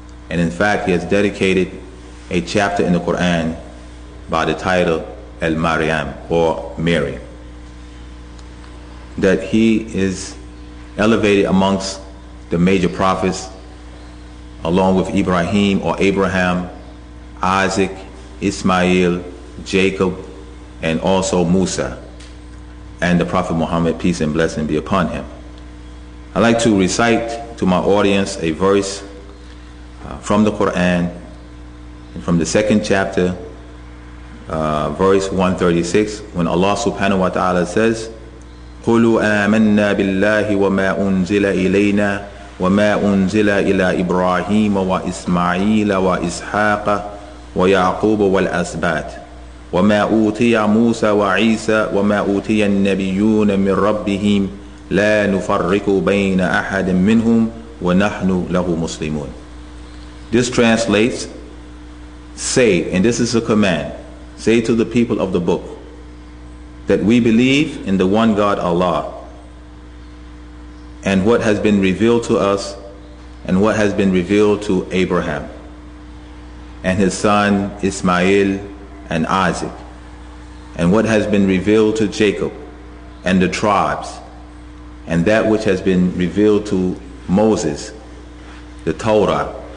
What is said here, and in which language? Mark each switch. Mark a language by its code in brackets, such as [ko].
[en] And in fact, he has dedicated a chapter in the Quran by the title El Maryam, or Mary, that he is elevated amongst the major prophets, along with Ibrahim or Abraham, Isaac, Ismail, Jacob, and also Musa, and the Prophet Muhammad, peace and blessing be upon him. I'd like to recite to my audience a verse from the Quran, from the second chapter, verse 136, when Allah subhanahu wa ta'ala says, [ar] قُلُوا آمَنَّا بِاللَّهِ وَمَا أُنزِلَ إِلَيْنَا وَمَا أُنزِلَ إِلَىٰ إِبْرَاهِيمَ وَإِسْمَعِيلَ وَإِسْحَاقَ وَيَعْقُوبَ وَالْأَسْبَاطِ وَمَا أُوتِيَ مُوسَى وَعِيسَى وَمَا أُوتِيَ النَّبِيُّونَ مِنْ رَبِّهِمْ لَا نُفَرِّقُ بَيْنَ أَحَدٍ مِّنْهُمْ وَنَحْنُ لَهُ مُسْلِمُونَ. [en] This translates, say, and this is a command, say to the people of the book, that we believe in the one God Allah, and what has been revealed to us, and what has been revealed to Abraham, and his son Ismail, and Isaac, and what has been revealed to Jacob, and the tribes, and that which has been revealed to Moses, the Torah,